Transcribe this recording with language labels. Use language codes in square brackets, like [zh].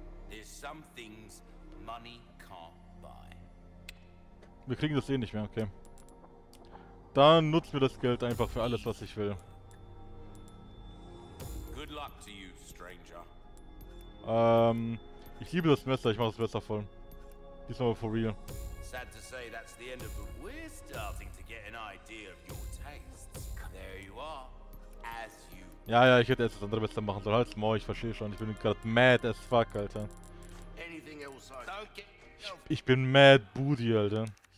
[en] There's some things money can't buy. [de] Wir kriegen das Ding nicht mehr, okay. Dann nutzen wir das Geld einfach für alles, was ich will. [en] Good luck to you, stranger. [de] Ich liebe das Messer, ich mache das Messer voll. Diesmal [en] for real. Sad to say that's the end of it. We're starting to get an idea of your tastes. There you are. As you. [de] Ja, ja, ich hätte erst das andere Messer machen sollen. Halt's Maul, ich verstehe schon. Ich bin gerade [en] mad as fuck, [de] Alter. [en] Anything else, I don't get... [de] ich bin [en] mad booty, [de] Alter. So.